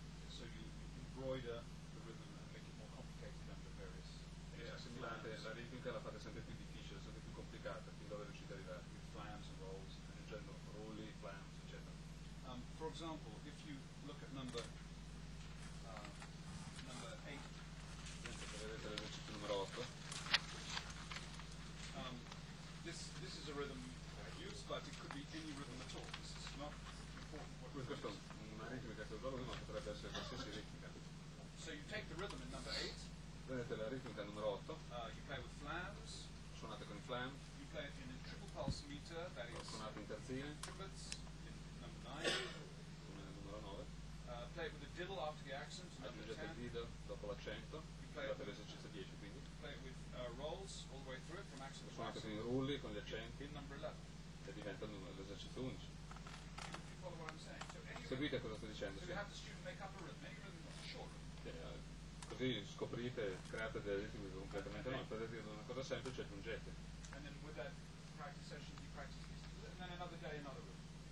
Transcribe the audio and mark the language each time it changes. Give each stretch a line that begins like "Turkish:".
English: So you embroider the rhythm and make it more complicated under various.
Italian: Assimilate la ritmica, la fate sempre più difficile, sempre più complicata, fin dove riuscite ad arrivare.
English: With flams and rolls, and in general, rolli, flams, etc. For example, if you look at number 8, this is a rhythm I use, but it could be any rhythm at all. This is not important what rhythm is.
Italian: Una ritmica che usavo prima potrebbe essere qualsiasi ritmica.
English: So you take the rhythm in number 8.
Italian: Prendete la ritmica numero 8.
English: You play with flams.
Italian: Suonate con i flam.
English: You play it in a triple pulse meter, that is.
Italian: Suonate in terzine.
English: Triplets in number 9.
Italian: Numero 9.
English: Play it with a diddle after the accent.
Italian: Aggiungete il diddle dopo l'accento. Fate l'esercizio 10 quindi.
English: Play it with rolls all the way through it from accent to
Italian: accent. Suonate con i rulli, con gli accenti.
English: In number 11.
Italian: E diventa l'esercizio 11.
English: What I'm
Italian: so seguite cosa sto dicendo.
English: So
Italian: sì.
English: You have the student make up a rhythm, any rhythm that's a short rhythm.
Italian: Così scoprite, create delle ritmi completamente nuove, prendete una cosa semplice e aggiungete.
English: And then with that practice session you practice this, and then another day another rhythm.